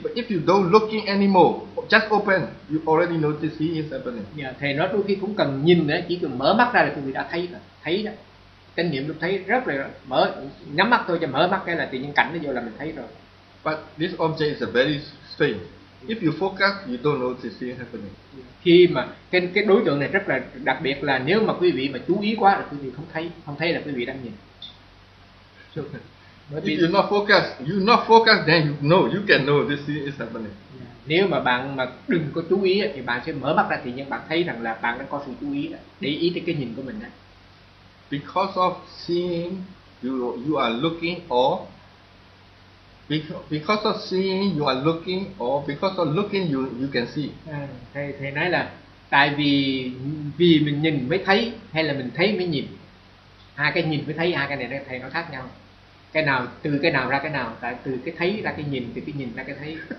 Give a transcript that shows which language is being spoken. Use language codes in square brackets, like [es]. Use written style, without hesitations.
[en] But if you don't look in anymore, just open, you already notice seeing is happening. [vi] Yeah, thầy nói đôi khi cũng cần nhìn đấy, chỉ cần mở mắt ra là tôi đã thấy rồi. Thấy đó. Kinh nghiệm tôi thấy rất là mở, nhắm mắt thôi cho mở mắt cái là tự nhiên cảnh nó vô là mình thấy rồi. [en] But this object is a very strange. If you focus, you don't notice seeing happening. [vi] Khi mà cái đối tượng này rất là đặc biệt là nếu mà quý vị mà chú ý quá là quý vị không thấy là quý vị đang nhìn. [en] Bởi if you not focus, then you know, you can know this thing is happening. [vi] Nếu mà bạn mà đừng có chú ý thì bạn sẽ mở mắt ra thì nhưng bạn thấy rằng là bạn đã có sự chú ý để ý tới cái nhìn của mình đấy. [en] Because of seeing, you are looking or because of seeing you are looking or because of looking you can see. [vi] Thầy nói là tại vì mình nhìn mới thấy hay là mình thấy mới nhìn. Hai cái nhìn mới thấy, hai cái này thầy nó khác nhau. Cái nào từ cái nào ra cái nào, tại từ cái thấy ra cái nhìn, từ cái nhìn ra cái thấy.